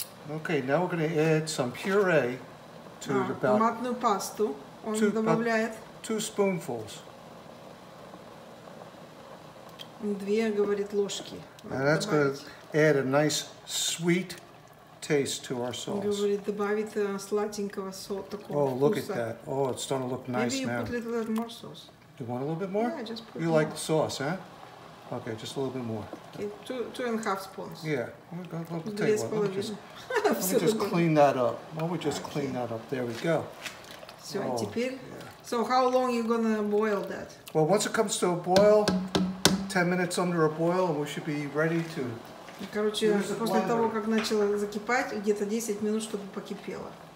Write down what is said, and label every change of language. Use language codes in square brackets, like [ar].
[en] Okay, now we're going to add some puree to about... [ru] Томатную пасту. Он добавляет. [en] Two spoonfuls. [ru] Две, говорит, ложки. [en] And that's going to add a nice sweet taste to our sauce. [ru] Говорит, добавит сладенького сока. [en] Oh, look at that. Oh, it's starting to look nice now. Maybe you put a little more sauce. You want a little bit more? Yeah, just put You like sauce, huh? Okay, just a little bit more. Okay, two and a half spoons. Yeah. Let me just clean that up. Why don't we just clean that up? There we go. So how long are you going to boil that? Well, once it comes to a boil, 10 minutes under a boil, and we should be ready to. [ru] Короче, после того, как начало закипать, где-то 10 минут, чтобы покипело.